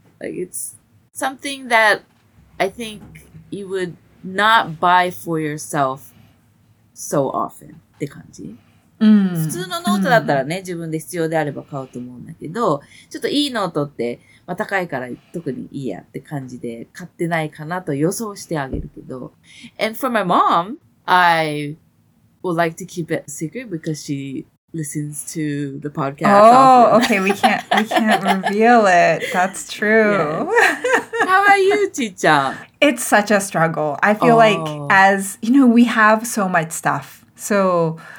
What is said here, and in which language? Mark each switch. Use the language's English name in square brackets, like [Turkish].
[English] Like it's something that I think you would not buy for yourself so often. [Japanese] って感じ。普通のノートだったらね、自分で必要であれば買うと思うんだけど、ちょっといいノートって、まあ、高いから特にいいやって感じで買ってないかなと予想してあげるけど。 [English] And for my mom, I would like to keep it a secret because she listens to the podcast. Oh, okay, we can't reveal it. That's true. Yes. How about you, Chi-chan? It's such a struggle. I feel like as, you know, we have so much stuff. So...